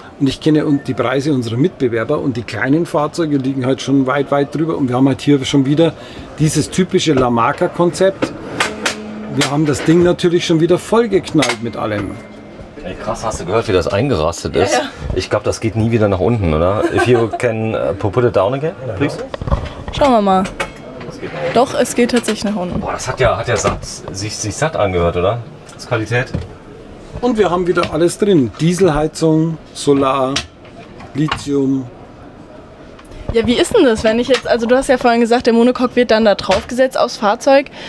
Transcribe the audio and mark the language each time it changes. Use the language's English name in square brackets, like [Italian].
[German] Und ich kenne die Preise unserer Mitbewerber und die kleinen Fahrzeuge liegen halt schon weit, weit drüber. Und wir haben halt hier schon wieder dieses typische La Marca-Konzept. Wir haben das Ding natürlich schon wieder vollgeknallt mit allem. Ey, krass, hast du gehört, wie das eingerastet ist? Ja, ja. Ich glaube, das geht nie wieder nach unten, oder? [English] If you can put it down again, please. [German] Schauen wir mal. Doch, es geht tatsächlich nach unten. Boah, das hat ja satt, sich satt angehört, oder? Das ist Qualität. Und wir haben wieder alles drin. Dieselheizung, Solar, Lithium. Ja, wie ist denn das, wenn ich jetzt, also du hast ja vorhin gesagt, der Monocoque wird dann da drauf gesetzt aufs Fahrzeug.